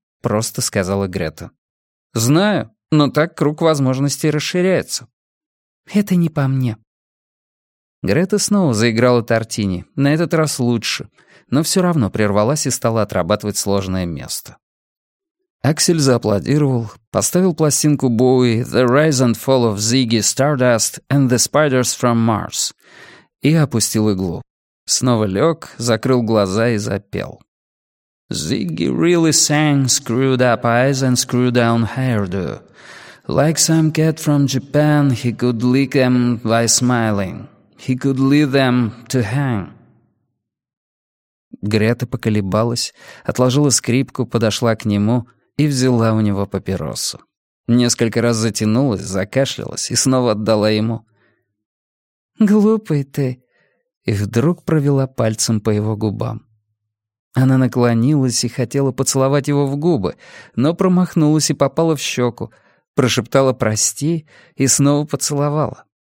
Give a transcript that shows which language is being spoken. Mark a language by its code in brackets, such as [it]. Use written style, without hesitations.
[ru] — просто сказала Грета. «Знаю, но так круг возможностей расширяется». «Это не по мне». Грета снова заиграла Тартини, на этот раз лучше, но все равно прервалась и стала отрабатывать сложное место. Аксель зааплодировал, поставил пластинку Боуи «The Rise and Fall of Ziggy Stardust and the Spiders from Mars» и опустил иглу. Снова лег, закрыл глаза и запел. [en] «Ziggy really sang screwed up eyes and screwed down hairdo. Like some cat from Japan, he could lick them by smiling. He could lead them to hang». [ru] Грета поколебалась, отложила скрипку, подошла к нему и взяла у него папиросу. Несколько раз затянулась, закашлялась и снова отдала ему. «Глупый ты!» И вдруг провела пальцем по его губам. Она наклонилась и хотела поцеловать его в губы, но промахнулась и попала в щеку, прошептала «прости» и снова поцеловала.